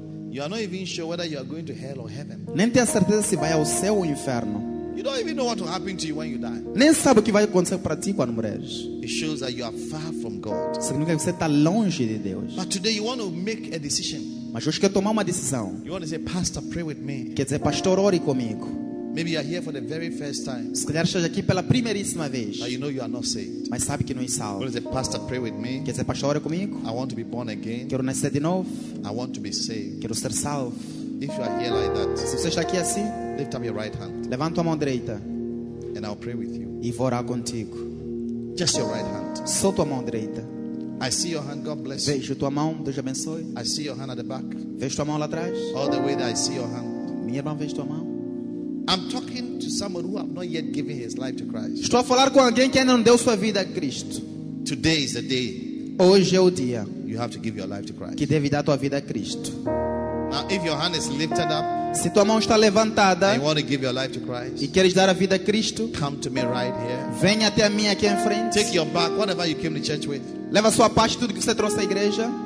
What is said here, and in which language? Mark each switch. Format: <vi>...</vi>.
<en>you are not even sure whether you are going to hell or heaven.</en> <pt>Nem tem certeza se vai ao céu ou inferno.</pt> <en>You don't even know what will happen to you when you die.</en> <pt>Nem sabe o que vai acontecer para ti quando morreres.</pt> <en>It shows that you are far from God.</en> <pt>Significa que você está longe de Deus.</pt> <en>But today you want to make a decision.</en> <pt>Mas hoje quer tomar uma decisão.</pt> <en>You want to say, Pastor, pray with me.</en> <pt>Quer dizer, pastor, ore comigo.</pt> <en>Maybe you are here for the very first time.</en> <pt>Se calhar esteja aqui pela primeiríssima vez.</pt> <en>But you know you are not saved.</en> <pt>Mas sabe que não é salvo.</pt> <en>Well, say, Pastor, pray with me.</en> <pt>Quer dizer, pastor, ore comigo.</pt> <en>I want to be born again.</en> <pt>Quero nascer de novo.</pt> <en>I want to be saved.</en> <pt>Quero ser salvo.</pt> <en>If you are here like that,</en> <pt>se você está aqui assim,</pt> <en>lift up your right hand.</en> <pt>Levanta a mão direita.</pt> <en>And I'll pray with you.</en> <pt>E vou orar contigo.</pt> <en>Just your right hand.</en> <pt>Só tua mão direita.</pt> <en>I see your hand, God bless.</en> <pt>Vejo tua mão, Deus abençoe.</pt> <en>I see your hand at the back.</en> <pt>Vejo tua mão lá atrás.</pt> <en>All the way that I see your hand.</en> <pt>Minha irmã, vejo tua mão.</pt> <en>I'm talking to someone who have not yet given his life to Christ.</en> <pt>Estou a falar com alguém que ainda não deu sua vida a Cristo.</pt> <en>Today is the day.</en> <pt>Hoje é o dia.</pt> <en>You have to give your life to Christ.</en> <pt>Que deve dar tua vida a Cristo.</pt> <en>Now, if your hand is lifted up,</en> <pt>se tua mão está levantada,</pt> <en>and you want to give your life to Christ,</en> <pt>e queres dar a vida a Cristo,</pt> <en>come to me right here.</en> <pt>Venha até a mim aqui em frente.</pt> <en>Take your bag, whatever you came to church with.</en> <pt>Leva sua parte, tudo que você trouxe à igreja.</pt>